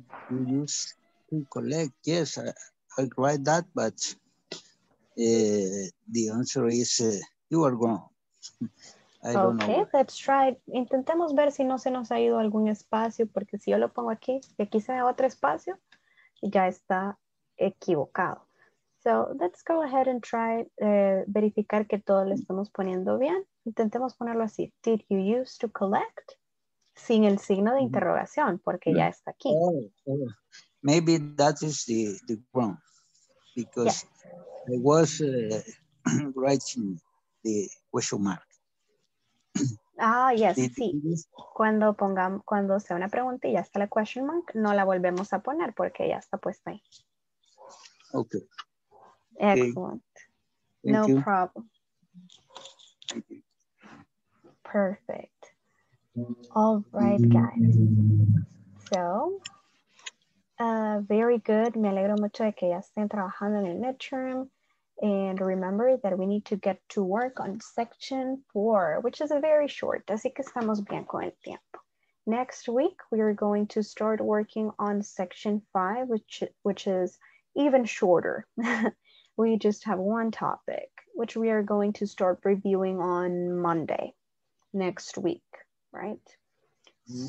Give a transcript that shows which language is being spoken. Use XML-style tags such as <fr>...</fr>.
<en>You use to collect, yes, I write that, but the answer is you are wrong. Okay, let's try.</en> <es>Intentemos ver si no se nos ha ido algún espacio, porque si yo lo pongo aquí, y aquí se ve otro espacio, ya está equivocado.</es> <en>So let's go ahead and try</en> <es>verificar que todo lo estamos poniendo bien. Intentemos ponerlo así.</es> <en>Did you use to collect?</en> <es>Sin el signo de interrogación, porque ya está aquí.</es> <en>Oh, oh. Maybe that is the problem. Because yeah. I was writing the question mark. Ah, yes, sí.</en> <es>Cuando pongamos, cuando sea una pregunta y ya está la question mark, no la volvemos a poner porque ya está puesta ahí.</es> <en>Ok. Excellent. Okay. No problem. Perfect. All right, guys. So, very good.</en> <es>Me alegro mucho de que ya estén trabajando en el midterm.</es> <en>And remember that we need to get to work on section 4, which is a very short.</en> <es>Así que estamos bien con el tiempo.</es> <en>Next week, we are going to start working on section 5, which is even shorter. We just have one topic, which we are going to start reviewing on Monday next week, right? Mm-hmm.</en>